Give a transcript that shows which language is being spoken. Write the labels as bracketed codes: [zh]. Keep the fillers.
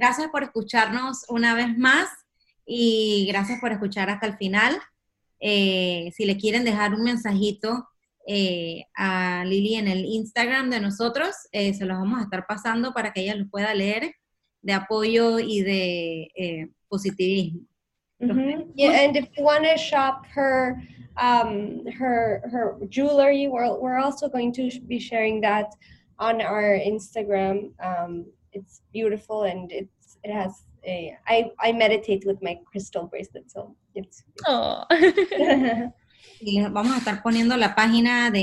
[es] Gracias por escucharnos una vez más y gracias por escuchar hasta el final. Eh, si le quieren dejar un mensajito eh, a Lili en el Instagram de nosotros, eh, se los vamos a estar pasando para que ella los pueda leer de apoyo y de eh, positivismo. Mhm. [en] yeah and if you want to shop her um her her jewelry we're, we're also going to sh- be sharing that on our instagram um it's beautiful and it's it has a i i meditate with my crystal bracelet so it's oh [es] Y les vamos a estar poniendo la página de Etsy donde ella vende sus joyas para que la puedan apoyar